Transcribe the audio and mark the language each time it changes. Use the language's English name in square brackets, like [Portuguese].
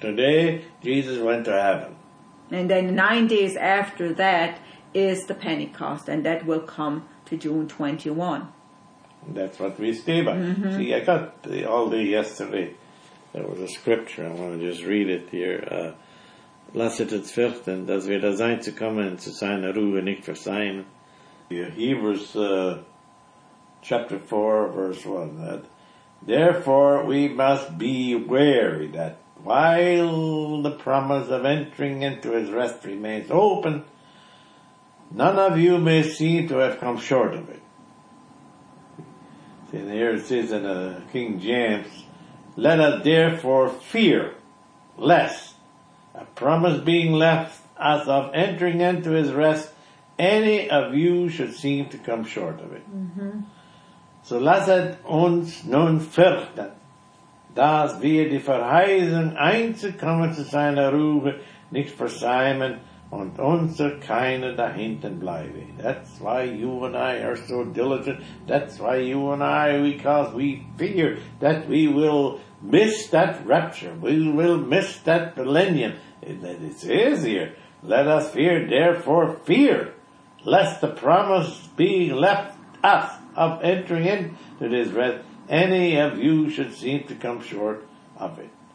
[English] Today, Jesus went to heaven. And then 9 days after that is the Pentecost, and that will come to June 21. That's what we stay by. Mm-hmm. See, I got the, all day yesterday, there was a scripture, I want to just read it here. Blessed is fifth, and das wir da sein zu kommen, zu sein, a ruhe nicht für sein. Hebrews chapter 4, verse 1. That, therefore, we must be wary that while the promise of entering into his rest remains open, none of you may seem to have come short of it. See, here it says in King James, let us therefore fear lest a promise being left us of entering into his rest, any of you should seem to come short of it. Mm-hmm. [German] So lasset uns nun fürchten, dass wir die Verheißung einzukommen zu seiner Ruhe nicht versäumen und unser keiner dahinten bleibe. [English] That's why you and I are so diligent. That's why you and I, because we fear that we will miss that rapture. We will miss that millennium. It says here, let us fear, therefore fear, lest the promise be left us of entering into this rest, any of you should seem to come short of it.